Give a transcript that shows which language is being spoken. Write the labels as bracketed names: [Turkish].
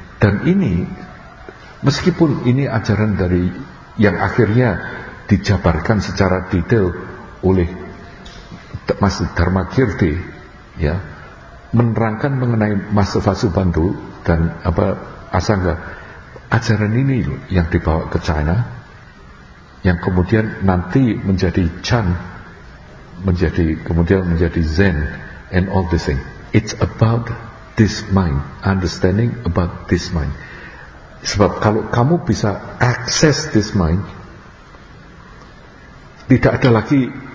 [Indonesian] Dan ini meskipun ini ajaran dari yang akhirnya dijabarkan secara detail oleh Mas Dharmakirti ya, menerangkan mengenai Mas Vasubandhu dan apa Asangga, ajaran ini yang dibawa ke China yang kemudian nanti menjadi Chan, menjadi kemudian menjadi Zen [English] and all this thing. It's about this mind, understanding about this mind. [Indonesian] Sebab kalau kamu bisa [English] access this mind, [Indonesian] tidak ada lagi